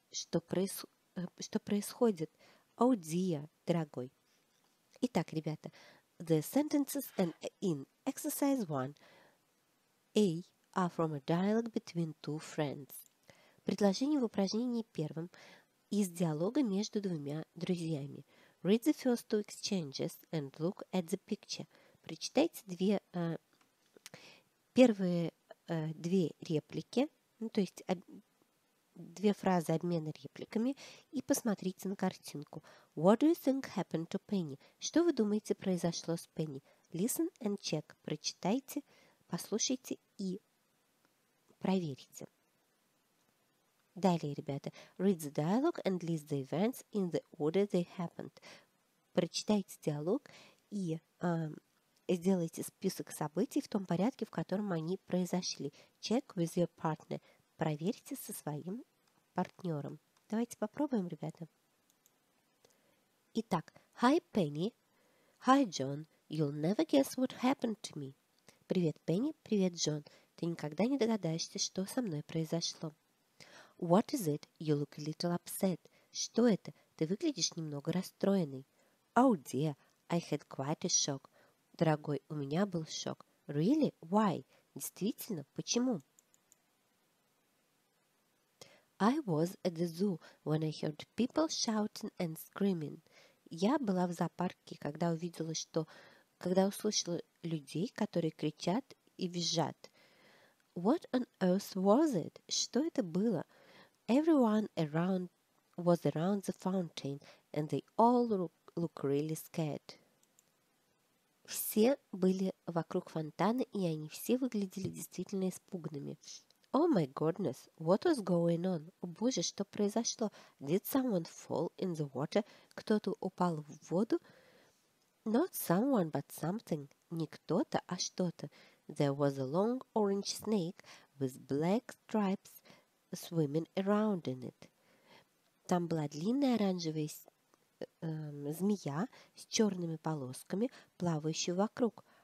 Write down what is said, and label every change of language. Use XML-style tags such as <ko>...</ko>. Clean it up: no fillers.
<ru>Что происходит?</ru> <en>Oh dear,</en> <ru>дорогой. Итак, ребята,</ru> <en>the sentences in exercise 1 A are from a dialogue between two friends.</en> <ru>Предложение в упражнении первом из диалога между двумя друзьями.</ru> <en>Read the first two exchanges and look at the picture.</en> <ru>Прочитайте первые две реплики, ну, то есть две фразы обмена репликами, и посмотрите на картинку.</ru> <en>What do you think happened to Penny?</en> <ru>Что вы думаете произошло с Penny?</ru> <en>Listen and check.</en> <ru>Прочитайте, послушайте и проверите. Далее, ребята,</ru> <en>read the dialogue and list the events in the order they happened.</en> <ru>Прочитайте диалог и сделайте список событий в том порядке, в котором они произошли.</ru> <en>Check with your partner.</en> <ru>Проверьте со своим партнером. Давайте попробуем, ребята.</ru> <en>Итак, hi, Penny. Hi, John. You'll never guess what happened to me.</en> <ru>Привет, Penny. Привет, John. Ты никогда не догадаешься, что со мной произошло.</ru> <en>What is it? You look a little upset.</en> <ru>Что это? Ты выглядишь немного расстроенный.</ru> <en>Oh dear, I had quite a shock.</en> <ru>Дорогой, у меня был шок.</ru> <en>Really? Why?</en> <ru>Действительно? Почему?</ru> <en>I was at the zoo when I heard people shouting and screaming.</en> <ru>Я была в зоопарке, когда услышала людей, которые кричат и визжат.</ru> <en>What on earth was it?</en> <ru>Что это было?</ru> <en>Everyone was around the fountain, and they all look really scared.</en> <ru>Все были вокруг фонтана, и они все выглядели действительно испуганными.</ru> <en>Oh my goodness, what was going on?</en> <ru>О, боже, что произошло?</ru> <en>Did someone fall in the water?</en> <ru>Кто-то упал в воду?</ru> <en>Not someone, but something.</en> <ru>Не кто-то, а что-то.</ru> <en>There was a long orange snake with black stripes swimming around in it.</en> <ru>Там была длинная оранжевая змея с черными полосками, плавающая вокруг.</ru>